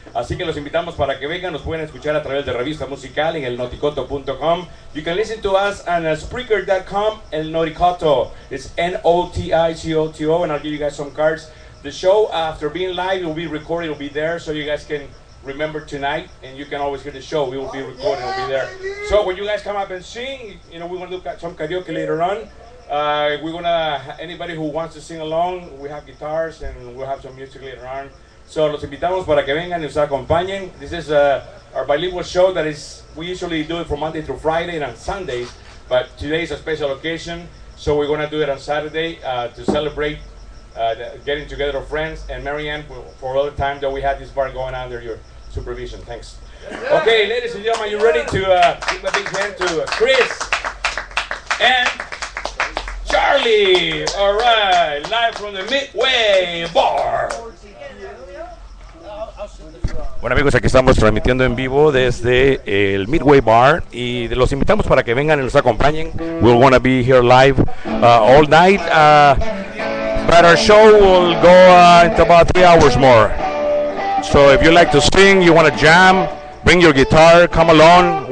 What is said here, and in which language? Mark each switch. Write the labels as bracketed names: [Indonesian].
[Spanish] Así que los invitamos para que vengan, nos pueden escuchar a través de Revista Musical en elnoticoto.com. [English] You can listen to us on Spreaker.com, El Noticoto. It's N-O-T-I-C-O-T-O, and I'll give you guys some cards. The show, after being live, it will be recorded, it will be there, so you guys can remember tonight, and you can always hear the show. We will be recorded, it will be there. So when you guys come up and sing, you know, we want to look at some karaoke later on. We're gonna, anybody who wants to sing along, we have guitars and we'll have some music later on. [Spanish] So los invitamos para que vengan y nos acompañen. [English] This is our bilingual show that is, we usually do it from Monday through Friday and on Sundays, but today is a special occasion, so we're gonna do it on Saturday to celebrate the getting together of friends and Marianne for all the time that we had this bar going under your supervision. Thanks. Okay, ladies and gentlemen, you ready to give a big hand to Chris and Charlie, all right, live from the Midway Bar. [Spanish] Bueno, amigos, aquí estamos transmitiendo en vivo desde el Midway Bar y los invitamos para que vengan y nos acompañen. [English] We're going to be here live all night, but our show will go into about 3 hours more. So if you like to sing, you want to jam, bring your guitar, come along.